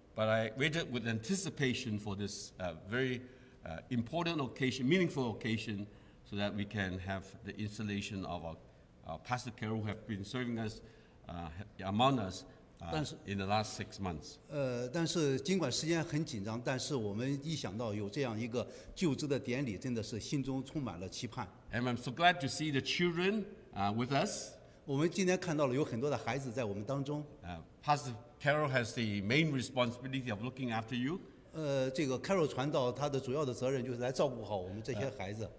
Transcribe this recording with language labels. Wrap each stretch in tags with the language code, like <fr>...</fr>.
<en>But I waited with anticipation for this very important occasion, meaningful occasion, so that we can have the installation of our Pastor Carol, who have been serving us among us.</en> <zh>但是,</zh> <en>in the last 6 months.</en> <zh>但是尽管时间很紧张，但是我们一想到有这样一个就职的典礼，真的是心中充满了期盼。</zh> <en>And I'm so glad to see the children with us.</en> <zh>我们今天看到了有很多的孩子在我们当中。</zh> <en>Pastor Carol has the main responsibility of looking after you.</en> <zh>这个 Carol 传道，他的主要的责任就是来照顾好我们这些孩子。</zh>